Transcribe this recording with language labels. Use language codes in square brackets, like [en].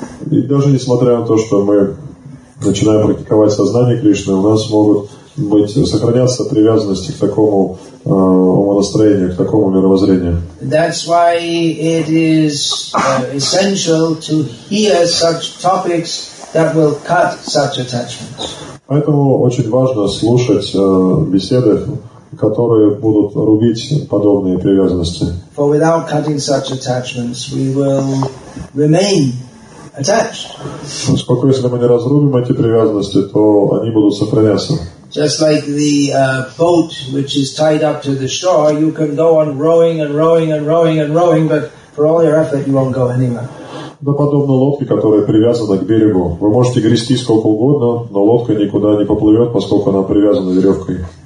[ru] И даже несмотря на то, что мы начинаем практиковать сознание Кришны, у нас могут быть, сохраняться привязанности к такому умонастроению, к такому мировоззрению. [en] That's why it is essential to hear such topics that will cut such attachments. [ru] Поэтому очень важно слушать беседы, которые будут рубить подобные привязанности. [en] For without cutting such attachments, we will remain attached. [ru] Поскольку если мы не разрубим эти привязанности, то они будут сохраняться. [en] Just like the boat which is tied up to the shore, you can go on rowing and rowing and rowing and rowing, but for all your effort, you won't go anywhere. [ru] Да, подобно лодке, которая привязана к берегу. Вы можете грести сколько угодно, но лодка никуда не поплывет, поскольку она привязана веревкой.